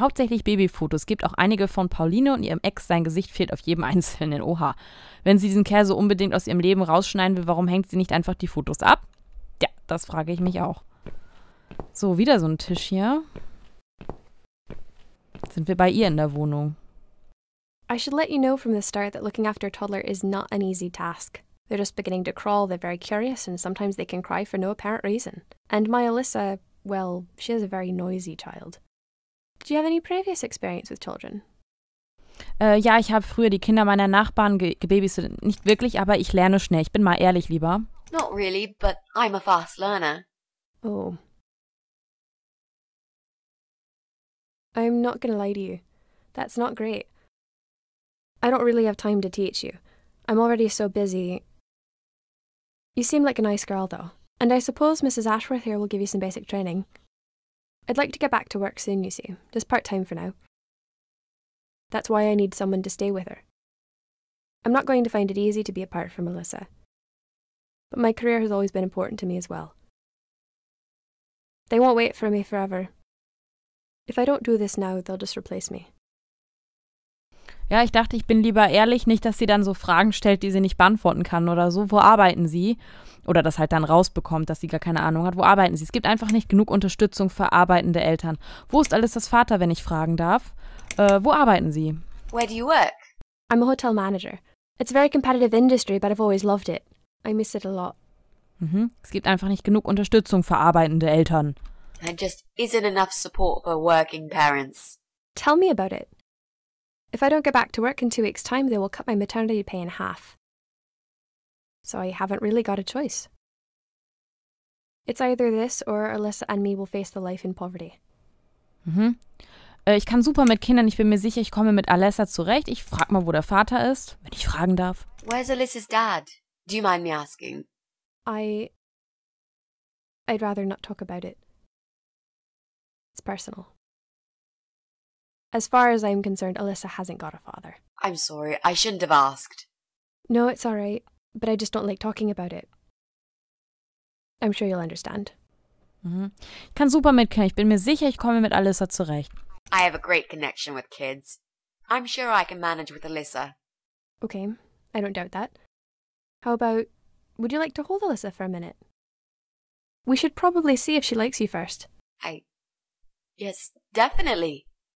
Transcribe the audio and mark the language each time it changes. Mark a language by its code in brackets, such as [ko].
[de] Hauptsächlich Babyfotos. Gibt auch einige von Pauline und ihrem Ex. Sein Gesicht fehlt auf jedem einzelnen. Oha. Wenn sie diesen Kerl so unbedingt aus ihrem Leben rausschneiden will, warum hängt sie nicht einfach die Fotos ab? Ja, das frage ich mich auch. So, wieder so ein Tisch hier. Sind wir bei ihr in der Wohnung? [en] I should let you know from the start that looking after a toddler is not an easy task. They're just beginning to crawl, they're very curious, and sometimes they can cry for no apparent reason. And my Alyssa, well, she is a very noisy child. Do you have any previous experience with children? [de] Ja, ich habe früher die Kinder meiner Nachbarn gebabysittet. Nicht wirklich, aber ich lerne schnell. Ich bin mal ehrlich, lieber. [en] Not really, but I'm a fast learner. Oh. I'm not going to lie to you. That's not great. I don't really have time to teach you. I'm already so busy. You seem like a nice girl, though. And I suppose Mrs. Ashworth here will give you some basic training. I'd like to get back to work soon, you see. Just part-time for now. That's why I need someone to stay with her. I'm not going to find it easy to be apart from Melissa. But my career has always been important to me as well. They won't wait for me forever. If I don't do this now, they'll just replace me. [de] Ja, ich dachte, ich bin lieber ehrlich, nicht, dass sie dann so Fragen stellt, die sie nicht beantworten kann oder so. Wo arbeiten sie? Oder das halt dann rausbekommt, dass sie gar keine Ahnung hat. Wo arbeiten sie? Es gibt einfach nicht genug Unterstützung für arbeitende Eltern. Wo ist alles das Vater, wenn ich fragen darf? Wo arbeiten sie? [en] Where do you work? I'm a hotel manager. It's a very competitive industry, but I've always loved it. I miss it a lot. Mhm. [de] Es gibt einfach nicht genug Unterstützung für arbeitende Eltern. [en] There just isn't enough support for working parents. Tell me about it. If I don't get back to work in 2 weeks' time, they will cut my maternity pay in half. So I haven't really got a choice. It's either this or Alyssa and me will face the life in poverty. Mhm. [de] Ich kann super mit Kindern, ich bin mir sicher, ich komme mit Alyssa zurecht. Ich frag mal, wo der Vater ist, wenn ich fragen darf. [en] Where's Alyssa's dad? Do you mind me asking? I'd rather not talk about it. It's personal. As far as I'm concerned, Alyssa hasn't got a father. I'm sorry, I shouldn't have asked. No, it's all right, but I just don't like talking about it. I'm sure you'll understand. Mhm. [de] Ich kann super mit Kindern, ich bin mir sicher, ich komme mit Alyssa zurecht. [en] I have a great connection with kids. I'm sure I can manage with Alyssa. Okay, I don't doubt that. How about, would you like to hold Alyssa for a minute? We should probably see if she likes you first. Yes, definitely.